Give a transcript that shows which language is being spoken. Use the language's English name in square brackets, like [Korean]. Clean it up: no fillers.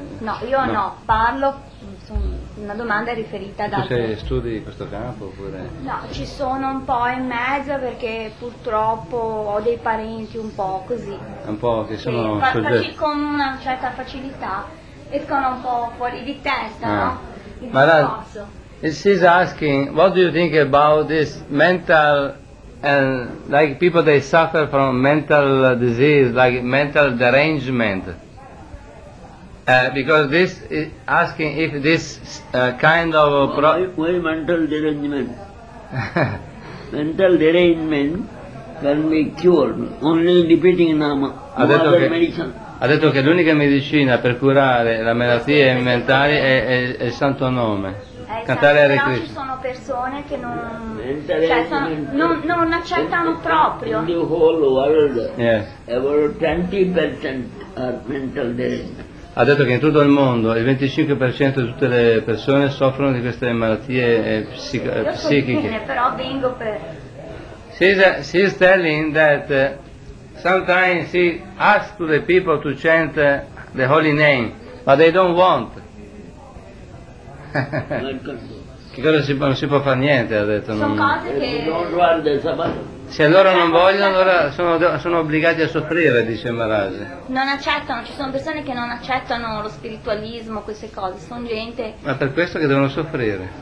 [Italian] No, io no, no parlo, una domanda è riferita da... Tu sei, studi questo campo oppure... No, ci sono un po' in mezzo perché purtroppo ho dei parenti un po' così. Un po' che sono... Con una certa facilità escono un po' fuori di testa, no? Il discorso. [English] She's asking, what do you think about this mental, and like people they suffer from mental disease, like mental derangement? Because this is asking if this kind of why mental derangement? Mental derangement can be cured only repeating nama, other medicine. [Italian] Ha detto che l'unica medicina per curare la malattia mentale è il santo nome. Cantare Hare Krishna. Però ci sono persone che non, cioè, non accettano proprio. [English] In the whole world, about 20% are mental disease. [Italian] Ha detto che in tutto il mondo il 25% di tutte le persone soffrono di queste malattie psichiche. Io sono bene, però vengo per... [English] She's telling that sometimes she asks to the people to chant the holy name, but they don't want. [Italian] Che cosa non si può fare niente, ha detto. Sono cose che... Se loro non vogliono, allora sono obbligati a soffrire, dice Maharaj. Non accettano, ci sono persone che non accettano lo spiritualismo, queste cose, sono gente... Ma per questo che devono soffrire.